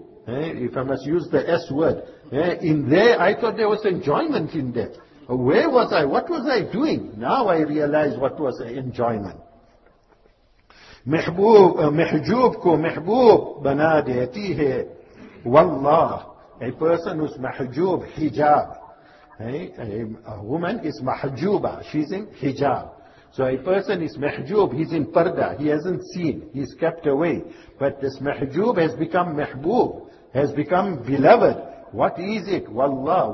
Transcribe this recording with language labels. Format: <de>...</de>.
<en>If I must use the S word. In there, I thought there was enjoyment in that. Where was I? What was I doing? Now I realize what was enjoyment.</en> <ur>محبوب محجوب کو محبوب بنا دیتی ہے واللہ.</ur> <en>A person who's محجوب حجاب. A woman is محجوبہ. She's in حجاب. So a person is محجوب. He's in پردہ. He hasn't seen. He's kept away. But this محجوب has become محبوب. Has become beloved. What is it? واللہ.</en>